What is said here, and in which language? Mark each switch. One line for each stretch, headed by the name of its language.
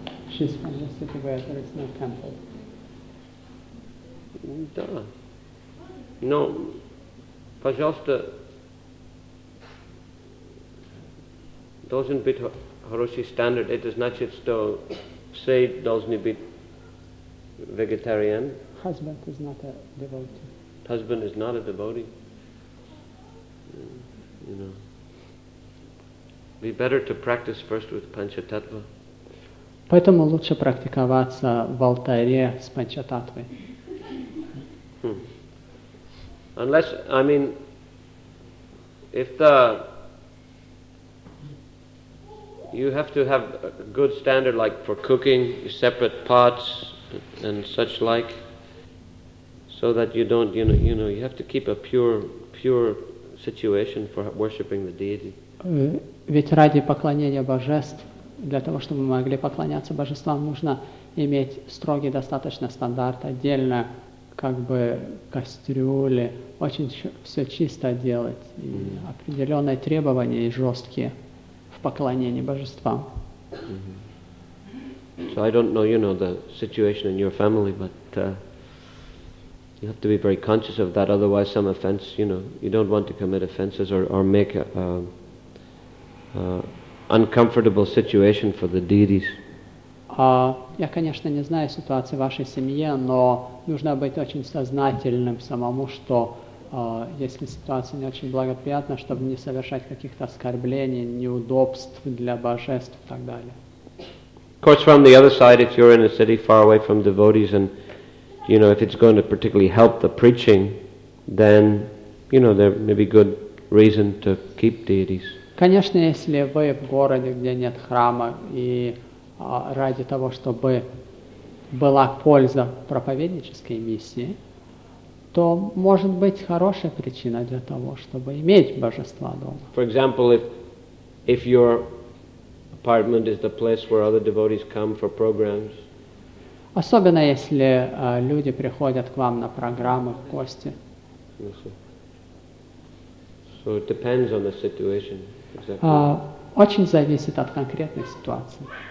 English: She's from the city where there is no temple.
Russian: Да. Но, пожалуйста, должен быть хороший стандарт. Это значит, что все должны быть вегетариан.
English: Husband is not a devotee. Husband is not a devotee. You know. Be better to practice first with Panchatattva.
Russian: Поэтому лучше практиковаться в алтаре с Панчататвой.
English: Unless, I mean, if the you have to have a good standard, like for cooking, separate pots and such like, so that you don't, you know, you have to keep a pure situation for worshiping the deity.
Russian: Ведь ради поклонения божеств, для того, чтобы мы могли поклоняться божествам, нужно иметь строгий достаточно стандарт, отдельно как бы кастрюли, очень все чисто делать, и определенные требования и жесткие в поклонении божествам.
English: So I don't know, you know, the situation in your family, but you have to be very conscious of that, otherwise some offense, you know, you don't want to commit offenses or make uncomfortable situation for the deities.
Russian: Я, конечно, не знаю ситуации в вашей семье, но нужно быть очень сознательным самому, что если ситуация не очень благоприятна, чтобы не совершать каких-то оскорблений, неудобств для божеств и так далее.
English: Of course, from the other side, if you're in a city far away from devotees, and you know, if it's going to particularly help the preaching, then you know, there may be good reason to keep deities.
Russian: Конечно, если вы в городе, где нет храма, и ради того, чтобы была польза проповеднической миссии, то может быть хорошая причина для того, чтобы иметь божества дома.
English: For example, if your apartment is the place where other devotees come for programs.
Russian: Особенно если люди приходят к вам на программы, в гости.
English: So it depends on the situation.
Russian: Очень зависит от конкретной ситуации.